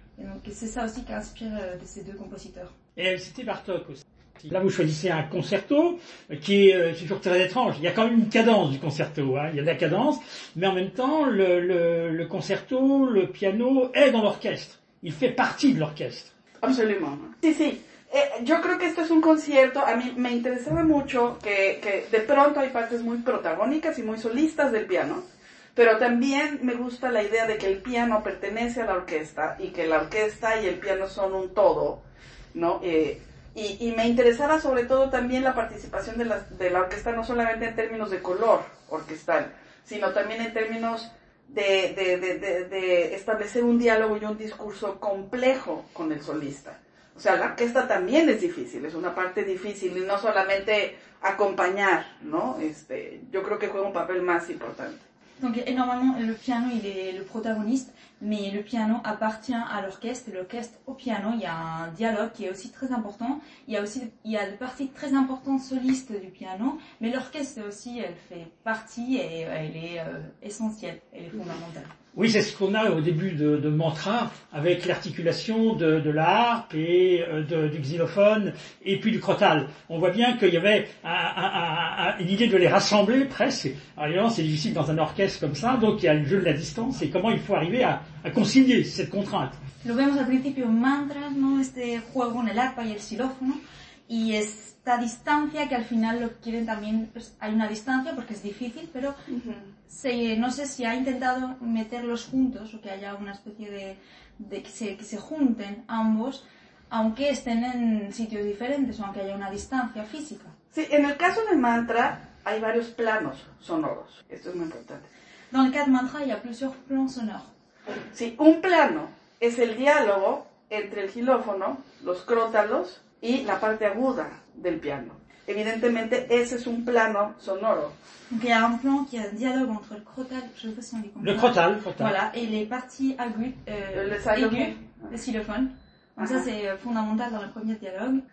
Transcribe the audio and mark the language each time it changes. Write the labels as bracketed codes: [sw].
[fr] Et donc c'est ça aussi qui inspire de ces deux compositeurs. Et c'était Bartók aussi. Là vous choisissez un concerto qui est toujours très étrange. Il y a quand même une cadence du concerto, hein. Il y a de la cadence, mais en même temps le concerto, le piano est dans l'orchestre. Il fait partie de l'orchestre. Absolument. Si, si. [es] Yo creo que esto es un concierto, a mí me interesaba mucho que de pronto hay partes muy protagónicas y muy solistas del piano, pero también me gusta la idea de que el piano pertenece a la orquesta y que la orquesta y el piano son un todo, ¿no? Y me interesaba sobre todo también la participación de la orquesta, no solamente en términos de color orquestal, sino también en términos de establecer un diálogo y un discurso complejo con el solista. O sea, la orquesta también es difícil, es una parte difícil, y no solamente acompañar, ¿no? Yo creo que juega un papel más importante. [fr] Donc, normalement, le piano, il est le protagoniste, mais le piano appartient à l'orchestre, l'orchestre au piano, il y a un dialogue qui est aussi très important, il y a des parties très importantes solistes du piano, mais l'orchestre aussi, elle fait partie et elle est essentielle, elle est fondamentale. Oui, c'est ce qu'on a au début de Mantra, avec l'articulation de la harpe et du xylophone, et puis du crotal. On voit bien qu'il y avait une idée de les rassembler, presque. Alors évidemment, c'est difficile dans un orchestre comme ça, donc il y a le jeu de la distance, et comment il faut arriver à concilier cette contrainte. [es] Lo vemos al principio Mantra, ¿no? Este juego en el arpa y el xilófono, y es... esta distancia que al final lo quieren también, pues hay una distancia porque es difícil, pero no sé si ha intentado meterlos juntos o que haya una especie de que se junten ambos, aunque estén en sitios diferentes o aunque haya una distancia física. Sí, en el caso del mantra hay varios planos sonoros, esto es muy importante. [fr] Dans le cas de mantra, il y a plusieurs plans sonores. [es] Sí, un plano es el diálogo entre el xilófono, los crótalos y la parte aguda del piano. Evidentemente ese es un plano sonoro. [fr] Il y a un plan qui a un dialogue entre le crotal, je ne sais pas si on dit comme ça. Le crotal, crotal. Voilà, et les parties aiguës, le xylophone. Donc ça c'est fondamental dans le premier dialogue.